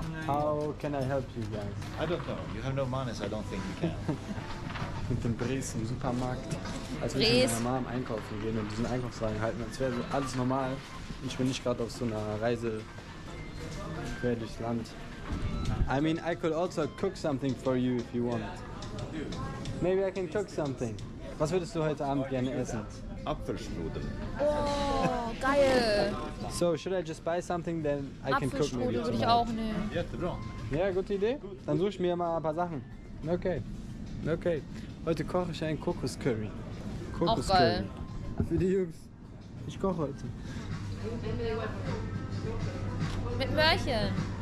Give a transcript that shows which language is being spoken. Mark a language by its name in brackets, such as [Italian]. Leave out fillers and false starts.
[English] How can I help you guys? I don't know. You have no manners. I don't think you can. [German] Mit dem Bres im Supermarkt. Als wir mit meiner Mom einkaufen gehen und diesen Einkaufswagen halten, als wäre alles normal. Ich bin nicht gerade auf so einer Reise quer durchs Land. [English] I mean, I could also cook something for you if you want. Maybe I can cook something. [German] Was würdest du heute Abend gerne essen? Apfelstrudel. Oh, geil. [English] So, should I just buy something, then I can cook maybe [German] tonight? Apfelstrudel würde ich auch nehmen. Ja, gute Idee. Dann such ich mir mal ein paar Sachen. Okay. Okay. Heute koche ich einen Kokoscurry. Kokos auch geil. Curry. Für die Jungs. Ich koche heute. Mit Möhrchen.